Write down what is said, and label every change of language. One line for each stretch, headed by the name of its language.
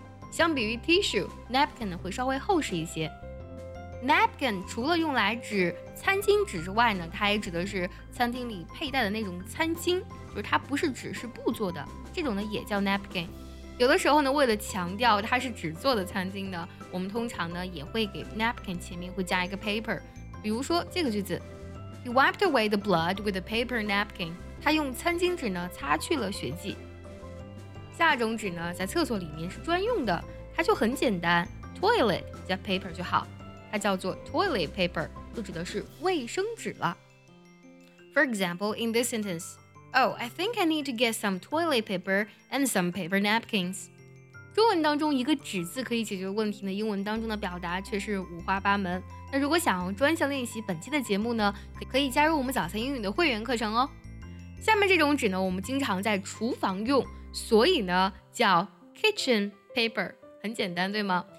Chinese: 相比于 tissue, napkin 会稍微厚实一些。Napkin 除了用来指餐巾纸之外呢，它也指的是餐厅里佩戴的那种餐巾，就是它不是纸，是布做的，这种呢也叫 napkin。有的时候呢，为了强调它是纸做的餐巾呢，我们通常呢也会给 napkin 前面会加一个 paper。比如说这个句子
English: ，He wiped away the blood with a paper napkin。
Chinese: 他用餐巾纸呢擦去了血迹。下一种纸呢在厕所里面是专用的，它就很简单， toilet 加 paper 就好，它叫做 toilet paper， 就指的是卫生纸了。
English: For example, in this sentence, Oh, I think I need to get some toilet paper and some paper napkins.
Chinese: 中文当中一个纸字可以解决问题呢，英文当中的表达却是五花八门。那如果想专项练习本期的节目呢，可以加入我们早餐英语的会员课程哦。下面这种纸呢，我们经常在厨房用，所以呢叫 kitchen paper， 很简单对吗？